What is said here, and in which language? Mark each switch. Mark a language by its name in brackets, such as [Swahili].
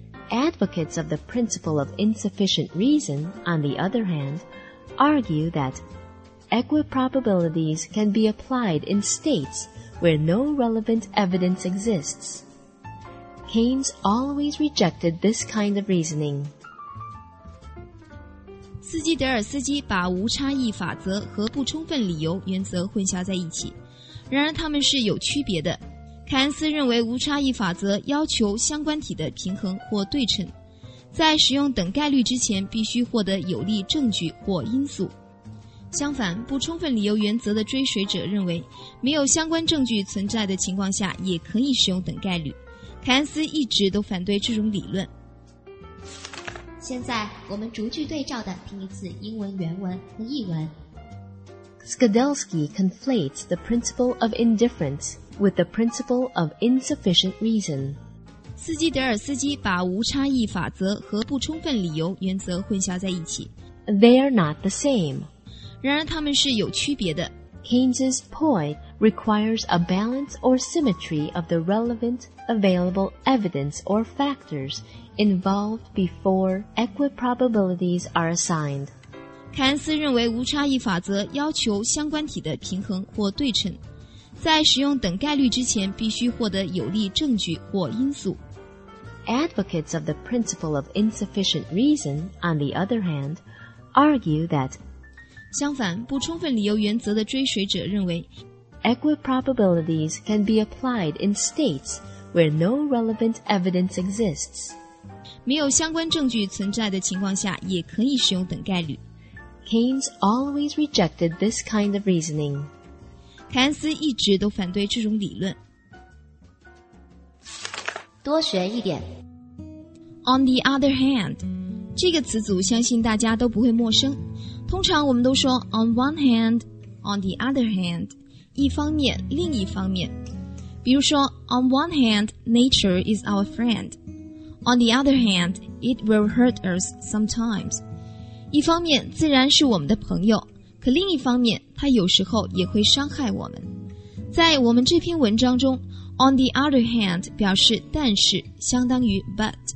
[English] Advocates of the principle of insufficient reason, on the other hand, argue thatEquiprobabilities can be applied in states where no relevant evidence exists. Keynes always rejected this kind of reasoning. [Chinese] 斯基德尔斯基把无差异法则和不充分理由原则混淆在一起，然而他们是有区别的。凯恩斯认为无差异法则要求相关体的平衡或对称，在使用等概率之前必须获得有力证据或因素。相反，不充分理由原则的追随者认为没有相关证据存在的情况下也可以使用等概率。凯恩斯一直都反对这种理论。现在我们逐句对照的听一次英文原文和译文。 [English] Skadelsky conflates the principle of indifference with the principle of insufficient reason. [Chinese] 斯基德尔斯基把无差异法则和不充分理由原则混淆在一起。 [English] They are not the same. [Chinese] 然而他们是有区别的。 [English] Keynes's point requires a balance or symmetry of the relevant available evidence or factors involved before equiprobabilities are assigned. [Chinese] 凯恩斯认为无差异法则要求相关体的平衡或对称，在使用等概率之前必须获得有力证据或因素。 [English] Advocates of the principle of insufficient reason, on the other hand, argue that [Chinese] 相反，不充分理由原则的追随者认为 [English] Equiprobabilities can be applied in states where no relevant evidence exists. [Chinese] 没有相关证据存在的情况下也可以使用等概率。 [English] Keynes always rejected this kind of reasoning. [Chinese] 凯恩斯一直都反对这种理论。多学一点。 On the other hand, 这个词组相信大家都不会陌生。通常我们都说 [English] on one hand, on the other hand, [Chinese] 一方面，另一方面。 [English] 比如说 on one hand, nature is our friend. On the other hand, it will hurt us sometimes. [Chinese] 一方面，自然是我们的朋友。可另一方面，它有时候也会伤害我们。在我们这篇文章中 , [English] on the other hand [Chinese] 表示但是，相当于 but。